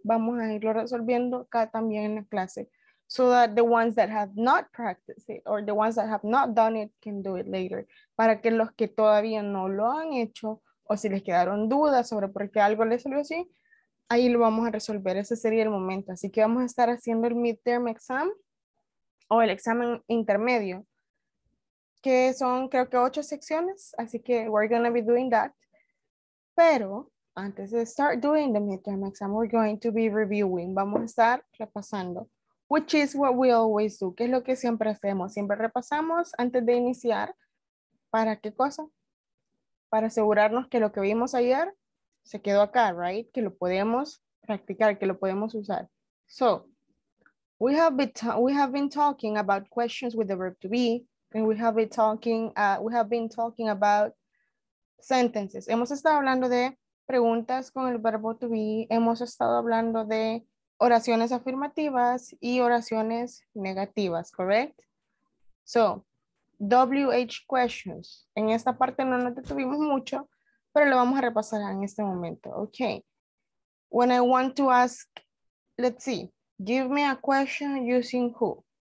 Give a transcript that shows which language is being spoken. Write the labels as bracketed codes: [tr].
[es] Vamos a irlo resolviendo acá también en la clase. [en] So that the ones that have not practiced it, or the ones that have not done it, can do it later. [es] Para que los que todavía no lo han hecho, o si les quedaron dudas sobre por qué algo les salió así, ahí lo vamos a resolver, ese sería el momento. Así que vamos a estar haciendo el midterm exam o el examen intermedio, que son creo que 8 secciones, así que [en] we're going to be doing that. [es] Pero antes de [en] start doing the midterm exam, we're going to be reviewing, [es] vamos a estar repasando, [en] which is what we always do, [es] que es lo que siempre hacemos, siempre repasamos antes de iniciar, ¿para qué cosa? Para asegurarnos que lo que vimos ayer se quedó acá, right? Que lo podemos practicar, que lo podemos usar. [en] So, we have been talking about questions with the verb to be, and we have been talking about sentences. [es] Hemos estado hablando de preguntas con el verbo to be, hemos estado hablando de oraciones afirmativas y oraciones negativas, correct? So, WH questions. En esta parte no nos detuvimos mucho, pero lo vamos a repasar en este momento. [en] Okay. When I want to ask, let's see, give me a question using who.